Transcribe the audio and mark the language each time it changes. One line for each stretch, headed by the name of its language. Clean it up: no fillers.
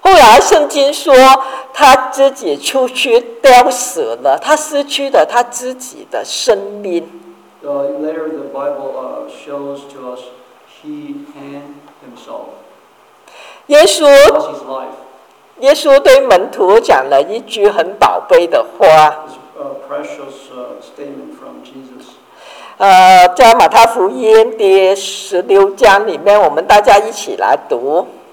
Chinese: 后来圣经说他自己出去吊死了，他失去了他自己的生命。
English: Later the Bible shows to us he hanged himself.
Chinese: 耶稣对门徒讲了一句很宝贝的话。
English: Precious statement from Jesus.
Chinese: 在马太福音第16章里面，我们大家一起来读。